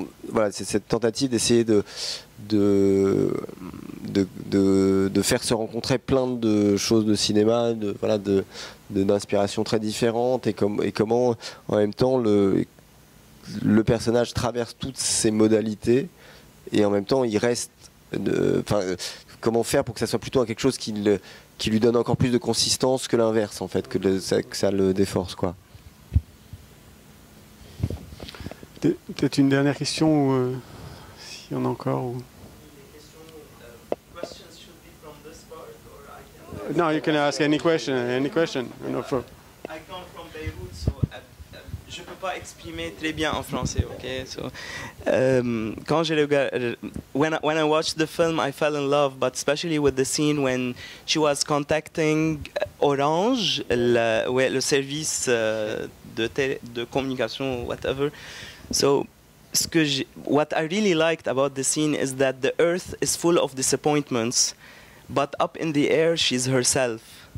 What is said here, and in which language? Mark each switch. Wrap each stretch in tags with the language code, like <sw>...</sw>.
<fr>voilà, c'est cette tentative d'essayer de faire se rencontrer plein de choses de cinéma, de voilà, de d'inspiration très différentes, et comment en même temps le personnage traverse toutes ces modalités et en même temps il reste comment faire pour que ça soit plutôt quelque chose qui lui donne encore plus de consistance que l'inverse, en fait, que ça le déforce, quoi. Peut-être une dernière question, ou s'il y en a encore, ou...</fr> <en>No, you can ask any question, no for... I come from Beirut, so</en> <fr>je peux pas exprimer très bien en français,</fr> <en>okay? So,</en> <fr>quand j'ai regardé,</fr> <en>when I watched the film, I fell in love, but especially with the scene when she was contacting Orange,</en> <fr>le service de communication,</fr> <en>whatever. So, what I really liked about the scene is that the Earth is full of disappointments, but up in the air, she's herself.</en>